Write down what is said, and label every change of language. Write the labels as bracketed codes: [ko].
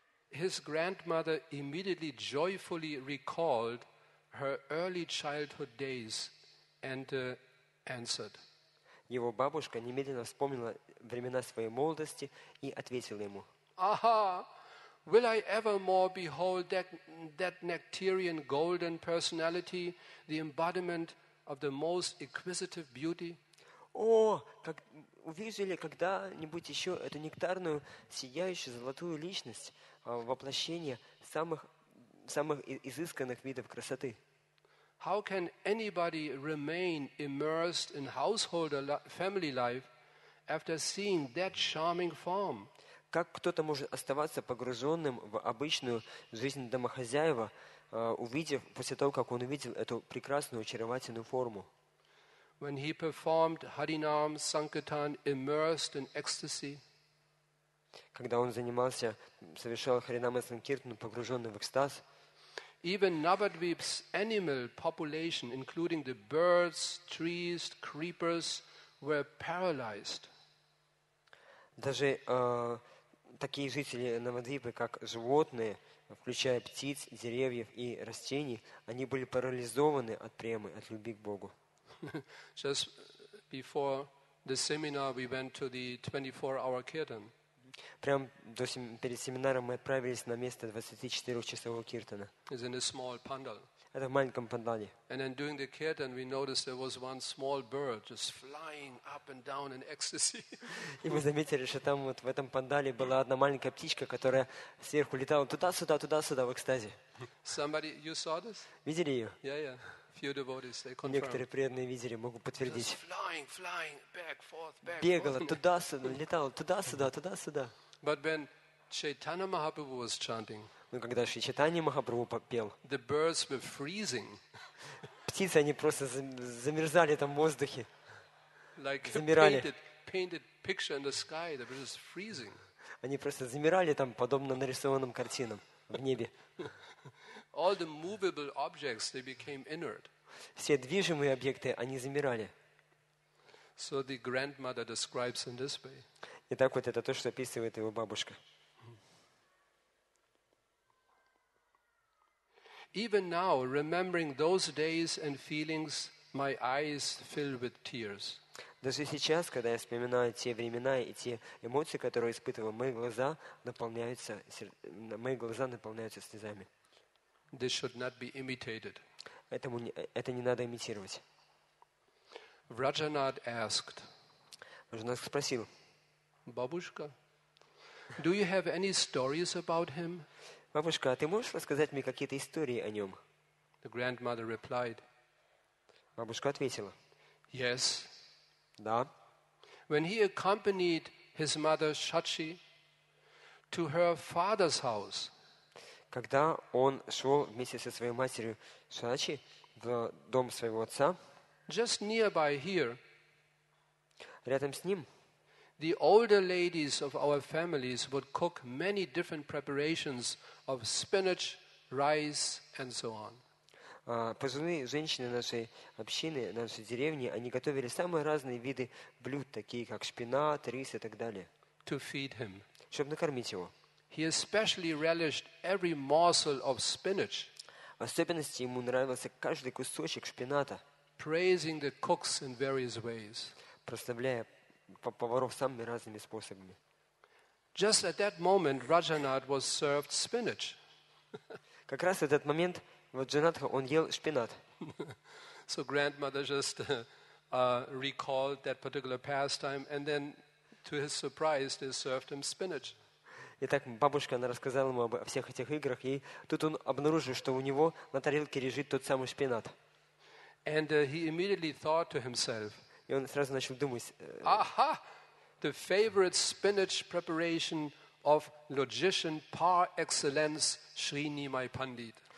[en] His grandmother immediately joyfully recalled her early childhood days and answered. [ru] Его бабушка немедленно вспомнила времена своей молодости и ответила ему. [en] Aha! Will I ever more behold that nectarian golden personality, the embodiment of the most exquisite beauty? [ru] О, как увижу ли когда-нибудь еще эту нектарную, сияющую, золотую личность, воплощение самых изысканных видов красоты? [en] How can anybody remain immersed in household or family life after seeing that charming form? [ru] Как кто-то может оставаться погруженным в обычную жизнь домохозяева, увидев, после того, как он увидел эту прекрасную, очаровательную форму? [en] When he performed Harinam Sankirtan immersed in ecstasy. [ru] Когда он занимался, совершал Харинам и Санкиртану, погруженный в экстаз. [en] Even Navadvip's animal population, including the birds, trees, creepers, were paralyzed. [ru] Даже такие жители Навадвипы, как животные, включая птиц, деревьев и растений, они были парализованы от премы, от любви к Богу. [en] Just before the seminar, we went to the 24-hour kirtan. [ru] Прямо перед семинаром мы отправились на место 24-часового киртана. [en] It's in a small pandal. [ru] Это в маленьком пандале. [en] And then during the kirtan, we noticed there was one small bird just flying up and down in ecstasy. [ru] И мы заметили, что там вот в этом пандале была одна маленькая птичка, которая сверху летала туда-сюда в экстазе. [en] Somebody, you saw this? [ru] Видели ее? [en] Yeah. Few devotees, they confirm. [ru] Некоторые преданные видели, могут подтвердить. [en] Just flying, back, forth, back. [ru] Бегала туда-сюда, летала туда-сюда. [en] But when Chaitanya Mahaprabhu was chanting, [ru] но когда Шри Чайтанья Махапрабху пел, [en] the birds were freezing. [ru] Птицы, они просто замерзали там в воздухе. [en] Like [ru] замирали. [en] Painted picture in the sky, they were just freezing. [ru] Они просто замирали там, подобно нарисованным картинам в небе. [en] All the movable objects, they became inert. [ru] Все движимые объекты, они замирали. [en] So the grandmother describes in this way. [ru] И так вот это то, что описывает его бабушка. [en] Even now, remembering those days and feelings, my eyes fill with tears. [ru] Даже сейчас, когда я вспоминаю те времена и те эмоции, которые испытывал, мои глаза наполняются слезами. [en] This should not be imitated. [ru] Это не надо имитировать. [en] Rajanath asked. [ru] Rajanath спросил. [en] Бабушка, do you have any stories about him? [ru] Бабушка, а ты можешь рассказать мне какие-то истории о нем? [en] The grandmother replied. [ru] Бабушка ответила. [en] Yes. [ru] Да. [en] When he accompanied his mother Shachi to her father's house. [ru] Когда он шел вместе со своей матерью Шачи в дом своего отца. [en] Just nearby here. [ru] Рядом с ним. [en] The older ladies of our families would cook many different preparations of spinach, rice, and so on. [ru] Пожилые женщины нашей общины, нашей деревни, они готовили самые разные виды блюд, такие как шпинат, рис и так далее. [en] To feed him. [ru] Чтобы накормить его. [en] He especially relished every morsel of spinach. [ru] В особенности ему нравился каждый кусочек шпината. [en] Praising the cooks in various ways. [ru] Прославляя поваров самыми разными способами. [en] Just at that moment, Rajanath was served spinach. [ru] Как раз в этот момент вот Джанатха, он ел шпинат. [en] So grandmother just recalled that particular pastime, and then, to his surprise, they served him spinach. [ru] Итак, бабушка, она рассказала ему обо всех этих играх, и тут он обнаружил, что у него на тарелке лежит тот самый шпинат. [en] And he immediately thought to himself. [ru] И он сразу начал думать. [en] Aha! The favorite spinach preparation of logician par excellence Sri Nimai Pandit.